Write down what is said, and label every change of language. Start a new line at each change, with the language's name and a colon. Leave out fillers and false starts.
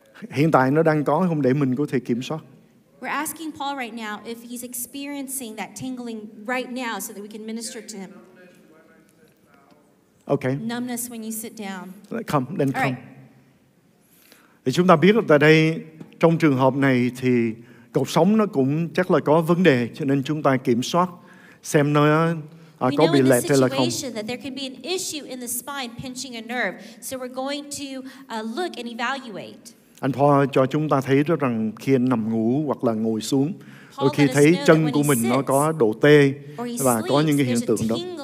Vietnamese: Hiện tại nó đang có không để mình có thể kiểm soát?
English: We're asking Paul right now if he's experiencing that tingling right now so that we can minister to him. Okay. Numbness when you sit down. Come, then come.
Vietnamese: Thì chúng ta biết là tại đây, trong trường hợp này thì cột sống nó cũng chắc là có vấn đề, cho nên chúng ta kiểm soát xem nó có bị lệch hay là không.
English: this situation that there can be an issue in the spine pinching a nerve, so we're going to look and evaluate.
Vietnamese: Anh Paul cho chúng ta thấy đó rằng khi anh nằm ngủ hoặc là ngồi xuống, đôi khi thấy chân của mình nó có độ tê và có những cái hiện tượng đó.